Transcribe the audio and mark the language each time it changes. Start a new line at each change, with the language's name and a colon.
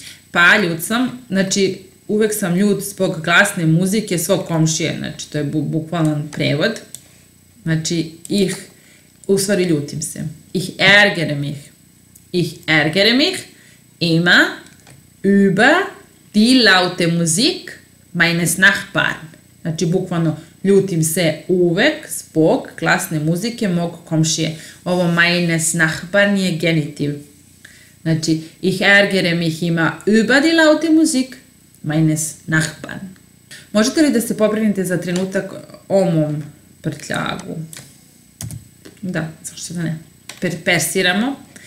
Serbian: Pa ljut sam, znači uvek sam ljut zbog glasne muzike svog komšije, znači to je bukvalan prevod. Znači ih, u stvari ljutim se.
German: Ich ärgere mich. Ich ärgere mich immer über die laute Musik meines Nachbarn.
Serbian: Znači bukvalno ljutim se uvek zbog glasne muzike mog komšije. Ovo
German: meines Nachbarn
Serbian: je genitiv.
German: Znači, ich ärgere mich immer über die laute Musik meines Nachbarn.
Serbian: Možete li da se pobrinite za trenutak o mom prtljagu? Da, zašto da ne? Persiramo.